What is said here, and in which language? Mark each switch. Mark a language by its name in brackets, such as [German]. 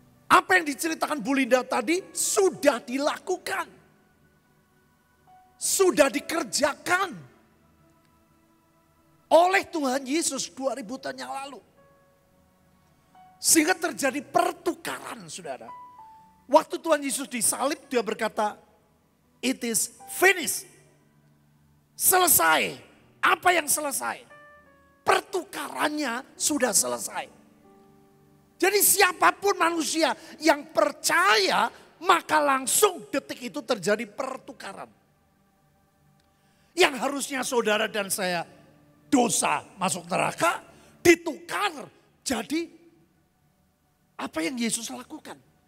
[Indonesian] Apa yang diceritakan Bu Linda tadi sudah dilakukan. Sudah dikerjakan. Oleh Tuhan Yesus 2000 tahun yang lalu. Sehingga terjadi pertukaran, saudara. Waktu Tuhan Yesus disalib, dia berkata, [English] it is finished. [Indonesian] Selesai. Apa yang selesai? Pertukarannya sudah selesai. Jadi siapapun manusia yang percaya, maka langsung detik itu terjadi pertukaran. Yang harusnya saudara dan saya dosa masuk neraka, ditukar jadi apa yang Yesus lakukan.